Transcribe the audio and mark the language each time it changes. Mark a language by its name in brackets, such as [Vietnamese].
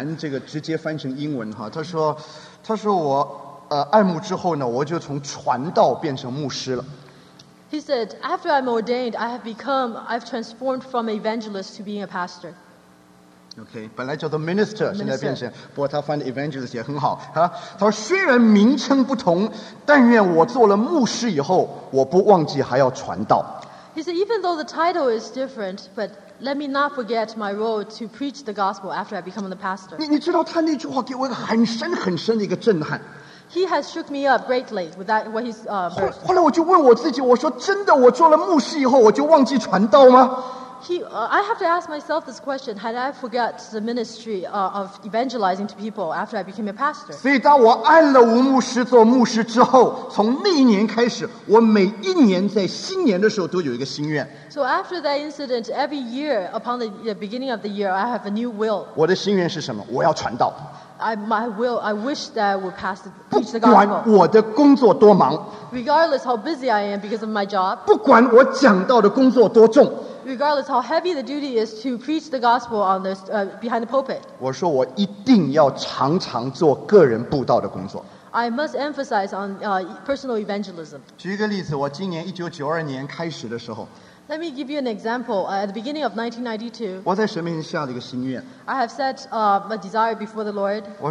[Chinese] 他说啊，这个很难，这个直接翻成英文哈。他说我。按摩之后呢，我就从传道变成牧师了。 [English] He said, after I'm ordained, I've transformed from evangelist to being a pastor. [Chinese] Okay, 本来叫做 minister， 现在变成，不过他翻译 evangelist 也很好啊。他说虽然名称不同，但愿我做了牧师以后，我不忘记还要传道。 [English] He said, even though the title is different, but let me not forget my role to preach the gospel after I become the pastor. [Chinese] 你知道他那句话给我一个很深很深的一个震撼。 [English] He has shook me up greatly with that what he's verse. [Chinese] 后来我就问我自己，我说真的，我做了牧师以后，我就忘记传道吗？ [English] I have to ask myself this question. Had I forgot the ministry of evangelizing to people after I became a pastor? [Chinese] 所以当我按了吴牧师做牧师之后，从那一年开始，我每一年在新年的时候都有一个心愿。 [English] So after that incident, every year upon the beginning of the year, I have a new will. [Chinese] 我的心愿是什么?我要传道。 [English] I wish that I would pass the preach the gospel. [Chinese] 不管我的工作多忙, [English] regardless how busy I am because of my job. [Chinese] 不管我讲道的工作多重, [English] regardless how heavy the duty is to preach the gospel on this behind the pulpit. [Chinese] 我说我一定要常常做个人布道的工作。 [English] I must emphasize on personal evangelism. [Chinese] 举一个例子，我今年1992年开始的时候。 [English] Let me give you an example. At the beginning of 1992, I have set a desire before the Lord.